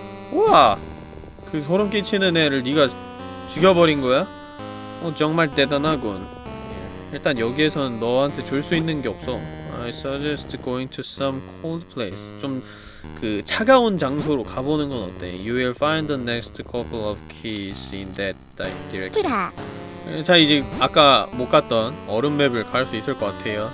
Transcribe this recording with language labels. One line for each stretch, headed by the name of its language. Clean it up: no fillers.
Korean: 우와! 그 소름 끼치는 애를 네가 죽여버린 거야? 어 정말 대단하군. 일단 여기에선 너한테 줄 수 있는 게 없어.
English: I suggest going to some cold place.
Korean: 좀 그 차가운 장소로 가보는 건 어때?
English: You will find the next couple of keys in that direction.
Korean: 자 이제 아까 못 갔던 얼음 맵을 갈 수 있을 것 같아요.